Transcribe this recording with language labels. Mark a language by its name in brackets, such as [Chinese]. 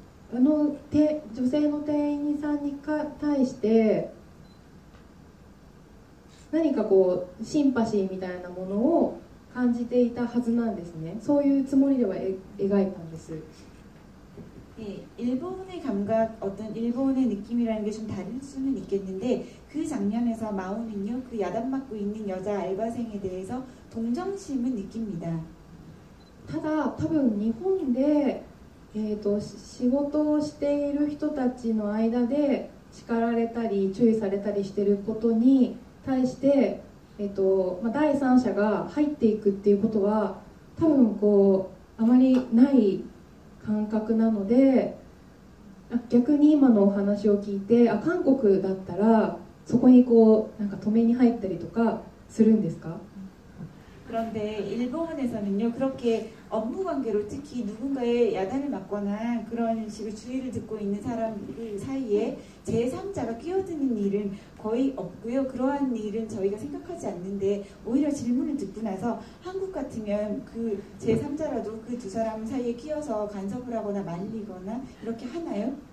[Japanese] 女性の店員さんに対して何かこうシンパシーみたいなものを感じていたはずなんですね。そういうつもりでは描いたんです。 [Korean] 네, 일본의 감각, 어떤 일본의 느낌이라는 게 좀 다를 수는 있겠는데 그 장면에서 마오는요, 그 야단 맞고 있는 여자 알바생에 대해서 동정심은 느낍니다. [Japanese] ただ多分日本で 仕事をしている人たちの間で叱られたり注意されたりしていることに対して、第三者が入っていくっていうことは多分こうあまりない感覚なので、逆に今のお話を聞いて、韓国だったらそこにこうなんか止めに入ったりとかするんですか？ [Korean] 그런데 일본에서는요 그렇게 업무 관계로 특히 누군가의 야단을 맞거나 그런 식으로 주의를 듣고 있는 사람 사이에 제3자가 끼어드는 일은 거의 없고요. 그러한 일은 저희가 생각하지 않는데 오히려 질문을 듣고 나서 한국 같으면 그 제3자라도 그 두 사람 사이에 끼어서 간섭을 하거나 말리거나 이렇게 하나요?